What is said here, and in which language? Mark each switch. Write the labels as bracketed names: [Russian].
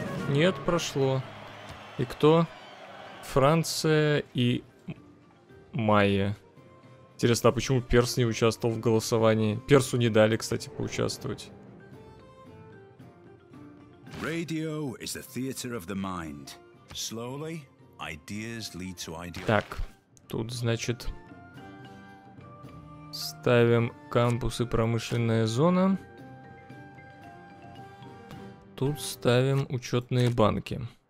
[Russian] Нет, прошло. И кто? Франция и Майя. Интересно, а почему Перс не участвовал в голосовании? Персу не дали, кстати, поучаствовать. [English] Radio is the theater of the mind. Slowly, ideas lead to ideas. [Russian] Так, Тут, значит, ставим кампус и промышленная зона. Тут ставим учетные банки.